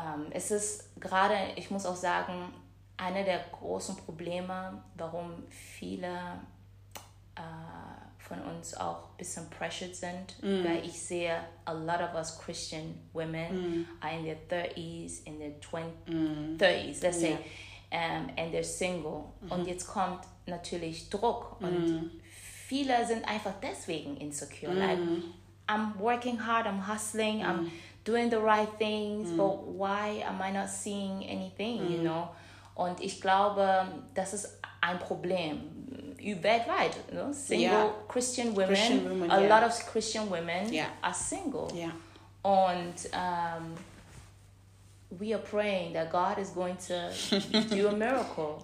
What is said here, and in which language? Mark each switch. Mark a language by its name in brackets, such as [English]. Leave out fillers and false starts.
[German] Es ist gerade, ich muss auch sagen, eine der großen Probleme, warum viele von uns auch ein bisschen pressured sind, weil ich sehe [English] a lot of us Christian women are in their 30s, in their 30s, let's say, and they're single. [German] Und jetzt kommt natürlich Druck und viele sind einfach deswegen insecure. [English] Like, I'm working hard, I'm hustling, I'm doing the right things, but why am I not seeing anything, you know? [German] Und ich glaube, das ist ein Problem weltweit. [English] You know? Single Christian women, lot of Christian women are single. Yeah. [German] Und [English] we are praying that God is going to do a miracle.